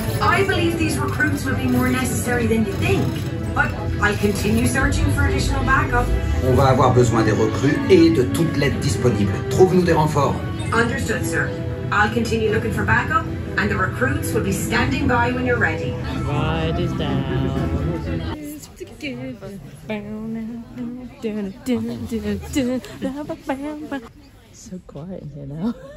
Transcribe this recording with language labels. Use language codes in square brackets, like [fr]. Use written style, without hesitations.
[en] I believe these recruits would be more necessary than you think. But I continue searching for additional backup. [fr] On va avoir besoin des recrues et de toute l'aide disponible. Trouve-nous des renforts. [en] Understood, sir. I'll continue looking for backup, and the recruits will be standing by when you're ready. Ride is down. So quiet in here now.